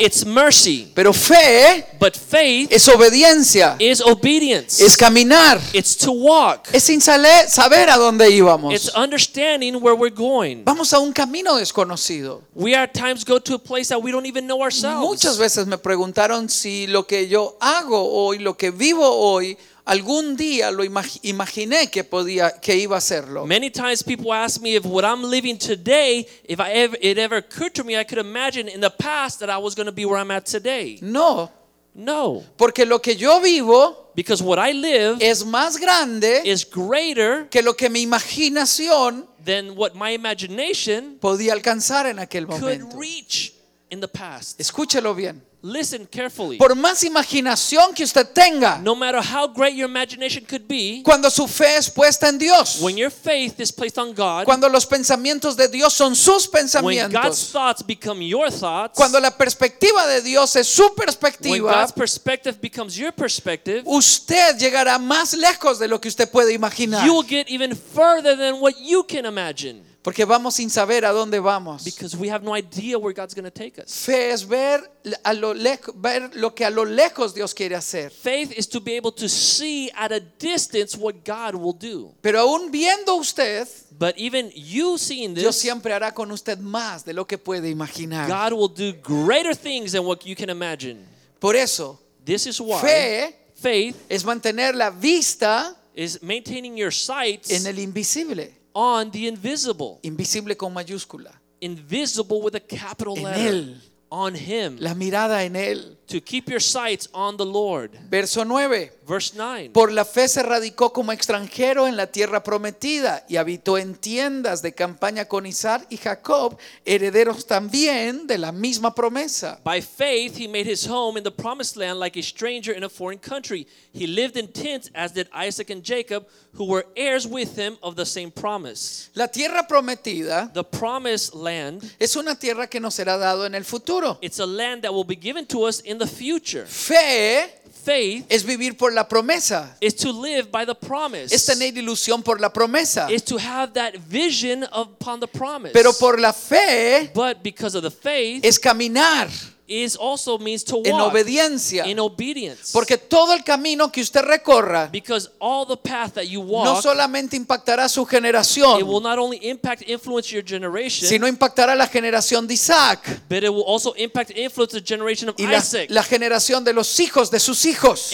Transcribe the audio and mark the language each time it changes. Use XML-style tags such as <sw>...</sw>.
<en>it's mercy.</en> <es>Pero fe,</es> <en>but faith,</en> <es>es obediencia,</es> <en>is obedience,</en> <es>es caminar,</es> <en>it's to walk,</en> <es>es sin saber a dónde íbamos,</es> <en>it's understanding where we're going.</en> <es>Vamos a un camino desconocido.</es> <en>We at times go to a place that we don't even know ourselves.</en> <es>Muchas veces me preguntaron si lo que yo hago hoy, lo que vivo hoy, algún día lo imaginé que podía, que iba a hacerlo.</es> <en>Many times people ask me if what I'm living today, if I ever, it ever occurred to me, I could imagine in the past that I was going to be where I'm at today.</en> <es>No.</es> <en>No.</en> <es>Porque lo que yo vivo,</es> <en>because what I live,</en> <es>es más grande,</es> <en>is greater,</en> <es>que lo que mi imaginación,</es> <en>than what my imagination,</en> <es>podía alcanzar en aquel momento.</es> <en>Could reach in the past.</en> <es>Escúchelo bien.</es> <en>Listen carefully.</en> <es>Por más imaginación que usted tenga,</es> <en>no matter how great your imagination could be,</en> <es>cuando su fe es puesta en Dios,</es> <en>when your faith is placed on God,</en> <es>cuando los pensamientos de Dios son sus pensamientos,</es> <en>when God's thoughts become your thoughts,</en> <es>cuando la perspectiva de Dios es su perspectiva,</es> <en>when God's perspective becomes your perspective,</en> <es>usted llegará más lejos de lo que usted puede imaginar.</es> <en>You will get even further than what you can imagine.</en> <es>Porque vamos sin saber a dónde vamos.</es> <en>Because we have no idea where God's going to take us.</en> <es>Fe es ver a lo ver lo que a lo lejos Dios quiere hacer.</es> <en>Faith is to be able to see at a distance what God will do.</en> <es>Pero aún viendo usted,</es> <en>but even you seeing this,</en> <es>Dios siempre hará con usted más de lo que puede imaginar.</es> <en>God will do greater things than what you can imagine.</en> <es>Por eso,</es> <en>this is why</en> <es>fe,</es> <en>faith,</en> <es>es mantener la vista,</es> <en>is maintaining your sight,</en> <es>en el invisible.</es> <en>On the invisible.</en> <es>Invisible con mayúscula.</es> <en>Invisible with a capital</en> <es>en</es> <en>letter.</en> <es>Él.</es> <en>on him.</en> <es>La mirada en él.</es> <en>To keep your sights on the Lord.</en> <es>Verso 9.</es> <en>Verse 9.</en> <es>Por la fe se radicó como extranjero en la tierra prometida y habitó en tiendas de campaña con Isaac y Jacob, herederos también de la misma promesa.</es> <en>By faith he made his home in the promised land like a stranger in a foreign country. He lived in tents as did Isaac and Jacob, who were heirs with him of the same promise.</en> <es>La tierra prometida,</es> <en>the promised land,</en> <es>es una tierra que nos será dado en el futuro.</es> <en>It's a land that will be given to us in the future.</en> <es>Fe,</es> <en>faith,</en> <es>es vivir por la promesa.</es> <en>Is to live by the promise.</en> <es>Es tener ilusión por la promesa.</es> <en>Is to have that vision upon the promise.</en> <es>Pero por la fe,</es> <en>but because of the faith,</en> <es>es caminar.</es> <en>Is also means to walk</en> <es>en obediencia.</es> <en>In obedience.</en> <es>Porque todo el camino que usted recorra,</es> <en>because all the path that you walk,</en> <es>no solamente impactará su generación,</es> <en>it will not only impact influence your generation,</en> <es>sino impactará la generación de Isaac,</es> <en>but it will also impact influence the generation of</en> <es>y la,</es> <en>Isaac,</en> <es>la generación de los hijos de sus hijos,</es>